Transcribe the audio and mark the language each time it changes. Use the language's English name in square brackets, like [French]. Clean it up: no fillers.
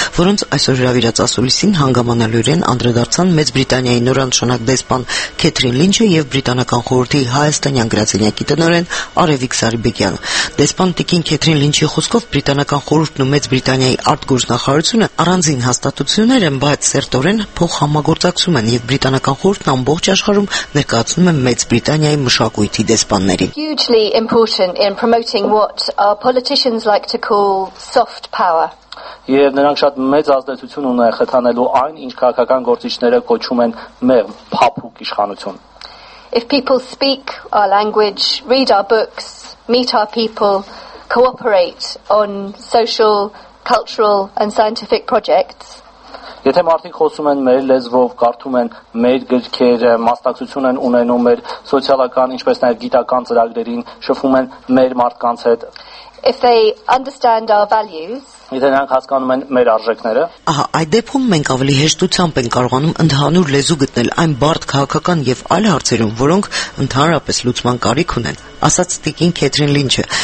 [Armenian] որոնց այսօր հրավիրած ասուլիսին հանգամանալիորեն անդրադարձան Մեծ Բրիտանիայի նորանշանակ դեսպան Քեթրին Լինչը եւ Բրիտանական խորհրդի հայաստանյան գրասենյակի տնօրեն Արևիկ Սարիբեկյանը։ Դեսպան Տիկին Քեթրին Լինչի խոսքով Բրիտանական խորհուրդն ու Մեծ Բրիտանիայի արտգործնախարարությունը առանձին հաստատություններ են, բայց սերտորեն փոխհամագործակցում են եւ Բրիտանական խորհուրդն ամբողջ աշխարհում ներկայացնում է Մեծ Բրիտանիայի մշակույթի դեսպաններին։ [English] Hugely important in promoting what our politicians like to call soft power. [Armenian] Եվ նրանք շատ մեծ ազդեցություն ունեն խթանելու այն, ինչ քաղաքական գործիչները կոչում են մեղմ, փափուկ իշխանություն։ [English] If people speak our language, read our books, meet our people, cooperate on social, cultural and scientific projects, [Armenian] եթե մարդիկ խոսում են մեր լեզվով, կարդում են մեր գրքերը, մասնակցություն են ունենում մեր սոցիալական, ինչպես նաև գիտական ծրագրերին, շփվում են մեր մարդկանց հետ, [English] if they understand our values, [Armenian] եթե նրանք հասկանում են մեր արժեքները, ահա այդ դեպքում մենք ավելի հեշտությամբ են կարողանում ընդհանուր լեզու գտնել այն բարդ քաղաքական եւ այլ հարցերում, որոնք ընդհանրապես լուծման կարիք ունեն, ասաց Տիկին Քեթրին Լինչը։